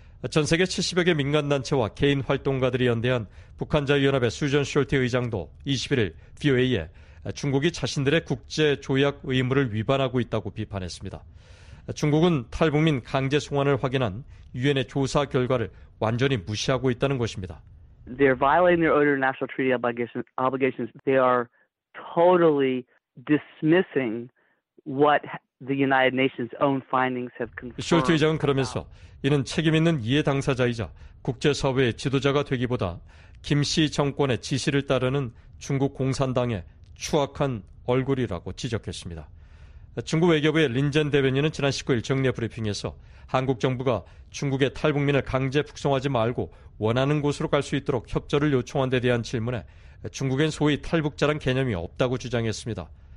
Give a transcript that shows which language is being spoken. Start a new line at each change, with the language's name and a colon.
Korean: 전 세계 70여 개 민간단체와 개인 활동가들이 연대한 북한자유연합의 수전 숄티 의장도 21일 VOA에 중국이 자신들의 국제조약 의무를 위반하고 있다고 비판했습니다. 중국은 탈북민 강제 송환을 확인한 유엔의 조사 결과를 완전히 무시하고 있다는 것입니다.
English: They're violating their own international treaty obligations. They are totally dismissing what the United Nations' own findings have confirmed.
Korean: 숄트 의장은 그러면서 이는 책임 있는 이해 당사자이자 국제 사회의 지도자가 되기보다 김 씨 정권의 지시를 따르는 중국 공산당의 추악한 얼굴이라고 지적했습니다. 중국 외교부의 린젠 대변인은 지난 19일 정례 브리핑에서 한국 정부가 중국의 탈북민을 강제 북송하지 말고 원하는 곳으로 갈 수 있도록 협조를 요청한 데 대한 질문에 중국엔 소위 탈북자란 개념이 없다고 주장했습니다.